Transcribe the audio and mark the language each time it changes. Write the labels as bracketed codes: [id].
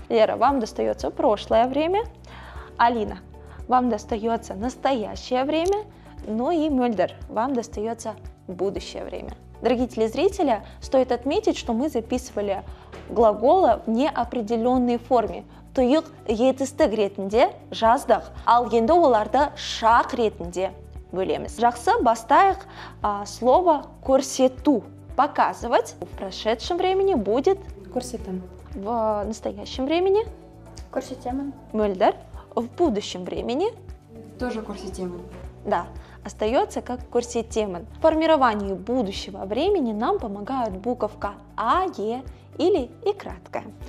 [ru] Лера, вам достается прошлое время. Алина, вам достается настоящее время. Ну и Мюльдер, вам достается будущее время. Дорогие телезрители, стоит отметить, что мы записывали глаголы в неопределенной форме. [kk] Туюк етістік ретінде жаздық, ал енді оларды шақ ретінде бөлеміз. Жақсы, бастайық слово «көрсету». [ru] Показывать в прошедшем времени будет [kk] «көрсетім». [ru] В настоящем времени [kk] «көрсетемін». [ru] Мөлдір. В будущем времени тоже «көрсетемін». Да. Остается как «көрсетемін». В формировании будущего времени нам помогают буковка «а», «е» или «и» краткая.